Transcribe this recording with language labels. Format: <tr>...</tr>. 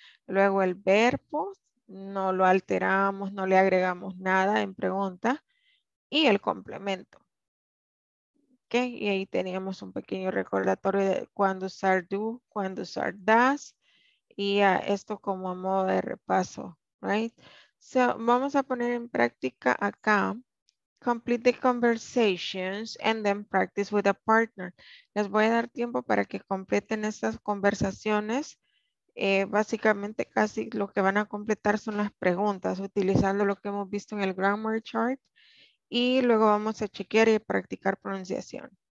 <es>Luego el verbo, no lo alteramos, no le agregamos nada en pregunta. Y el complemento. Okay, y ahí teníamos un pequeño recordatorio de cuándo usar do, cuándo usar does. Y esto como a modo de repaso,</es> <en>right?</en> <es>So, vamos a poner en práctica acá.</es> <en>Complete the conversations and then practice with a partner.</en> <es>Les voy a dar tiempo para que completen estas conversaciones. Básicamente casi lo que van a completar son las preguntas, utilizando lo que hemos visto en el grammar chart. Y luego vamos a chequear y practicar pronunciación.</es>